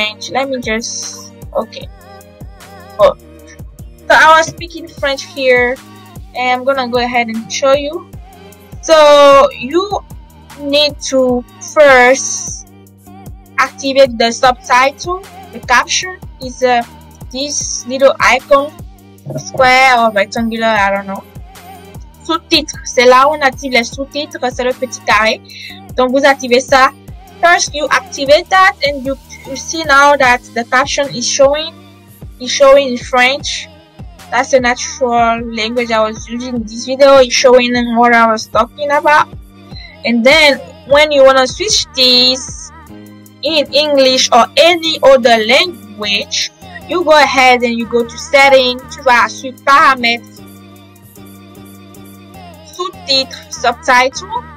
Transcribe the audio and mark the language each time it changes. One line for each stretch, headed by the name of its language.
English: Let me just... Okay. Oh. So, I was speaking French here and I'm gonna go ahead and show you. So, you need to first activate the subtitle. The caption is this little icon, square or rectangular, I don't know.
French: Sous-titres, c'est là où on active les sous-titres, c'est le petit carré. Donc, vous activez ça.
English: First, you activate that and you see now that the caption is showing. It's showing in French. That's the natural language I was using in this video, it's showing them what I was talking about. And then, when you wanna switch this in English or any other language, you go ahead and you go to Settings,
French: tu vas sur Paramètres, Sous-titres,
English: Subtitle.